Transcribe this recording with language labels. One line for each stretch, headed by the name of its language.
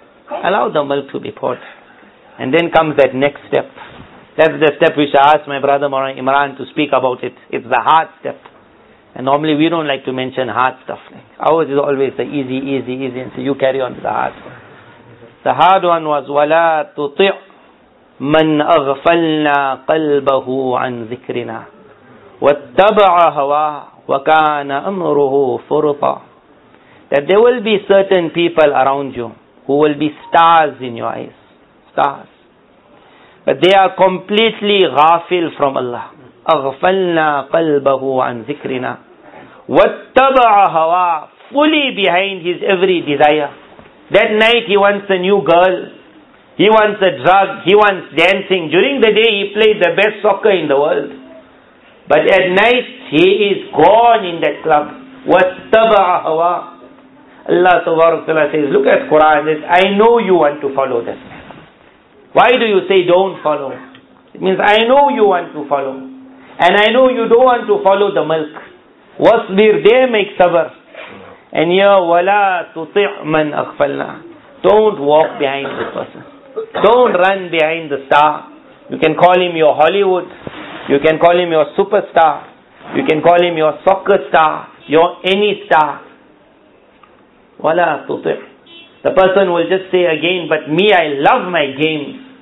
English: Allow the milk to be poured. And then comes that next step. That's the step which I asked my brother Maulana Imran to speak about it. It's the hard step. And normally we don't like to mention hard stuff. Ours is always the easy, easy, easy. And so you carry on to the hard one.
Arabic: The hard one was, وَلَا تُطِعْ مَنْ أَغْفَلْنَا قَلْبَهُ عَنْ ذِكْرِنَا وَاتَّبَعَ هَوَاهُ وَكَانَ أَمْرُهُ فُرُطًا.
English: That there will be certain people around you who will be stars in your eyes. Stars. But they are completely ghafil from Allah.
Arabic: أَغْفَلْنَا قَلْبَهُ عَنْ ذِكْرِنَا وَاتَّبَعَ هَوَاهُ.
English: Fully behind his every desire. That night he wants a new girl. He wants a drug. He wants dancing. During the day he played the best soccer in the world. But at night he is gone in that club.
Arabic: وَاتَّبَعَ هَوَىٰ.
English: Allah Ta'ala says, look at Quran. Says, I know you want to follow this. Why do you say don't follow? It means I know you want to follow. And I know you don't want to follow the milk.
Arabic: وَاصْبِرْ.
English: They make sabr. And here,
Arabic: وَلَا تُطِعْ مَنْ أَغْفَلْنَا.
English: Don't walk behind this person. Don't run behind the star. You can call him your Hollywood. You can call him your superstar. You can call him your soccer star. Your any star.
Arabic: وَلَا تُطِعْ.
English: The person will just say again, but me, I love my games.